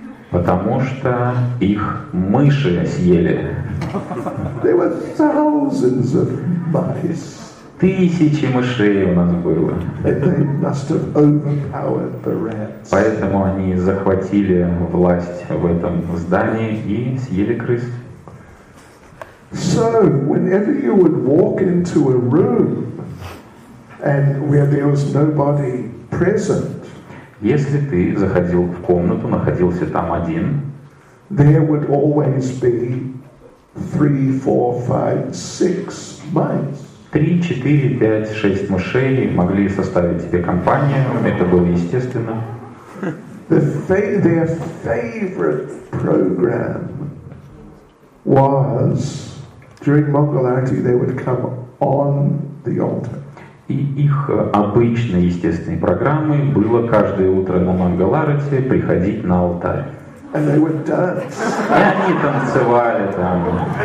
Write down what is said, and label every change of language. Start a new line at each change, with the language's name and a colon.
Russian: Потому что их мыши съели.
English: There were thousands of mice.
Russian: Тысячи мышей у нас было.
English: They must have overpowered the rats.
Russian: Поэтому они захватили власть в этом здании и съели крыс.
English: So, whenever you would walk into a room and where there was nobody present,
Russian: если ты заходил в комнату, находился там один,
English: there would always be 3, 4, 5, 6 mice.
Russian: 3, 4, 5, 6 мышей могли составить тебе компанию, это было естественно.
English: Their favorite program was during Mongol Arati they would come on the altar.
Russian: И их обычной естественной программой было каждое утро на Мангаларате приходить на алтарь. И они танцевали там.